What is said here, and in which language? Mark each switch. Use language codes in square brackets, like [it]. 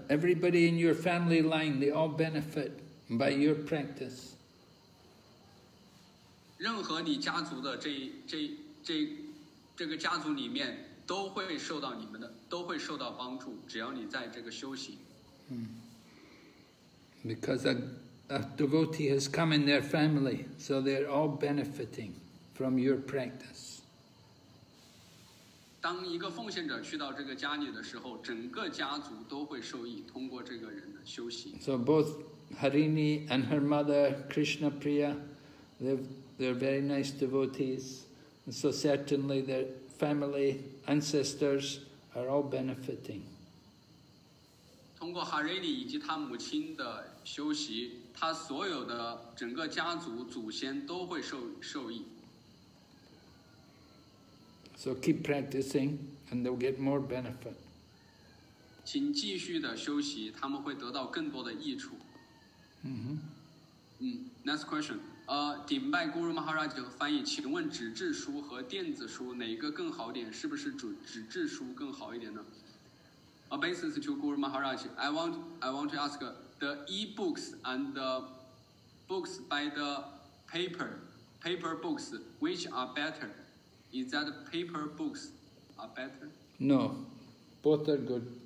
[en] Everybody in your family line, they all benefit by your practice. [zh] 任何你家族的这个家族里面都会受到你们的都会受到帮助，只要你在这个修行。 [en] Because a devotee has come in their family, so they're all benefiting from your practice. [zh] 当一个奉献者去到这个家里的时候，整个家族都会受益，通过这个人的修行。 [en] So both Harini and her mother Krishna Priya, they're very nice devotees, and so certainly their family ancestors are all benefiting. [zh] 通过 Harini 以及他母亲的修习，他所有的整个家族祖先都会受益。 [en] So keep practicing, and they'll get more benefit. [zh] 请继续的修习，他们会得到更多的益处。 [en] Next question. [zh] 顶拜 Guru Maharaj 的翻译，请问纸质书和电子书哪个更好点？是不是纸质书更好一点呢？ [en] A basis to Guru Maharaj, I want to ask the e-books and the books by the paper books, which are better? Is that paper books are better? No, both are good.